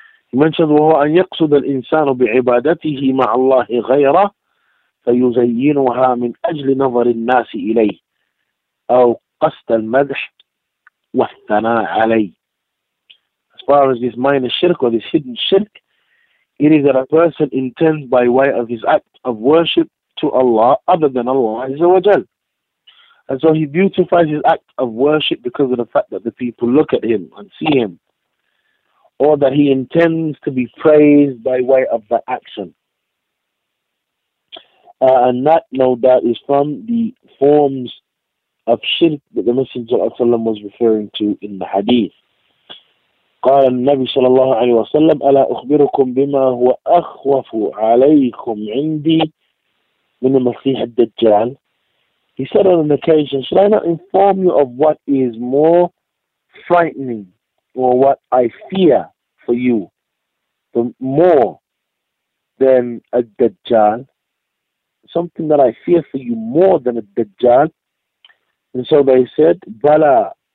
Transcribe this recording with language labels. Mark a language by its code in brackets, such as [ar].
[en] He mentioned, [ar] وهو أن يقصد الإنسان بعبادته مع الله غيره فيزينها من أجل نظر الناس إليه أو قصد المدح والثناء عليه. [en] As far as this minor shirk or this hidden shirk, it is that a person intends by way of his act of worship to Allah other than Allah Azza wa Jal. And so he beautifies his act of worship because of the fact that the people look at him and see him, or that he intends to be praised by way of that action. And that, no doubt, is from the forms of shirk that the Messenger of Allah was referring to in the hadith. [ar] قال النبي صلى الله عليه وسلم ألا أخبركم بما هو أخوف عليكم عندي من المسيح الدجال. [en] He said on an occasion, should I not inform you of what is more frightening, or what I fear for you, the more than a Dajjal? Something that I fear for you more than a Dajjal. And so they said, Bala.